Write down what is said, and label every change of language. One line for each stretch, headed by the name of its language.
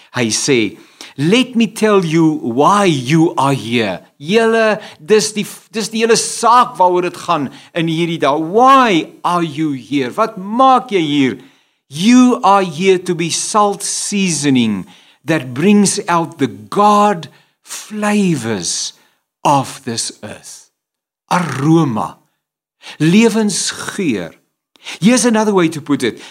Afrikaans: Hy sê,
English: let me tell you why you are here.
Afrikaans: Julle, dis die hele saak waaroor dit gaan in hierdie dag.
English: Why are you here?
Afrikaans: Wat maak jy hier?
English: You are here to be salt seasoning that brings out the God flavors of this earth. Aroma. Lewensgeur. Here's another way to put it.